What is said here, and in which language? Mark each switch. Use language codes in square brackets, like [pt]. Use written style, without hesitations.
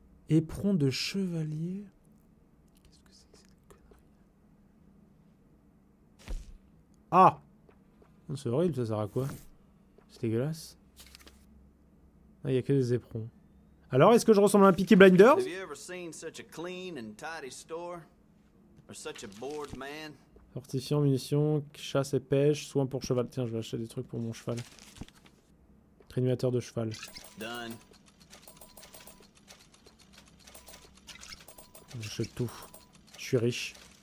[fr] Éperon de chevalier. Qu'est-ce que c'est que cette connerie? Ah! C'est horrible, ça sert à quoi? C'est dégueulasse. Ah, il y a que des éperons. Alors, est-ce que je ressemble à un Peaky Blinders? [en] Have you ever seen such a clean and tidy store? Or such a bored man? [fr] Fortifiant, munitions, chasse et pêche, soins pour cheval. Tiens, je vais acheter des trucs pour mon cheval. Trénuateur de cheval. [en] Done. [fr] J'achète tout. Je suis riche.